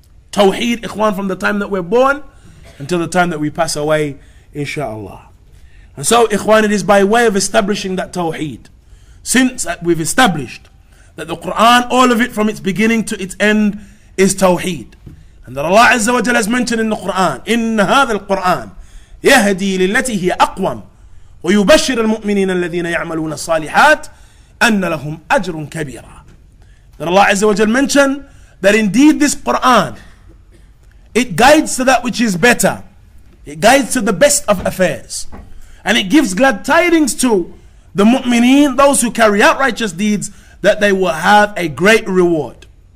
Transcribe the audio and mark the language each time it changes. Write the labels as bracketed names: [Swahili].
[English] Tawheed, Ikhwan, from the time that we're born until the time that we pass away, inshaAllah. And so, ikhwan, it is by way of establishing that Tawheed. Since we've established that the Quran, all of it from its beginning to its end, is Tawheed. [Arabic] And that Allah Azza wa Jalla has mentioned in the Quran, إِنَّ هَذَا الْقُرْآنِ يَهَدِي لِلَّتِي هِيَ أَقْوَمْ وَيُبَشِّرَ الْمُؤْمِنِينَ الَّذِينَ يَعْمَلُونَ الصَّالِحَاتِ أَنَّ لَهُمْ أَجْرٌ كَبِيرًا. [English] That Allah Azza wa Jalla mentioned that indeed this Quran, it guides to that which is better. It guides to the best of affairs. And it gives glad tidings to the mu'mineen, those who carry out righteous deeds, that they will have a great reward.